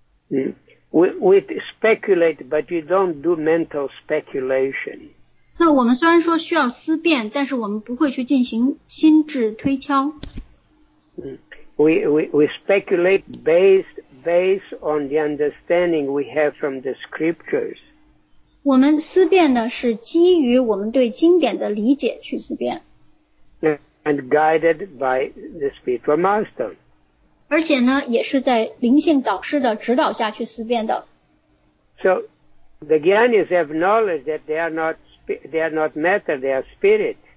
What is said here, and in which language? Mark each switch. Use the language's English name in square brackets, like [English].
[English] We speculate, but you don't do mental speculation. [Chinese] 那我们虽然说需要思辨，但是我们不会去进行心智推敲。 [English] We speculate based on the understanding we have from the scriptures. [Chinese] 我们思辨呢是基于我们对经典的理解去思辨。 [English] And guided by the spiritual master. [Chinese] 而且呢也是在灵性导师的指导下去思辨的。 [English] So the Gyanis have knowledge that they are not matter, they are spirit.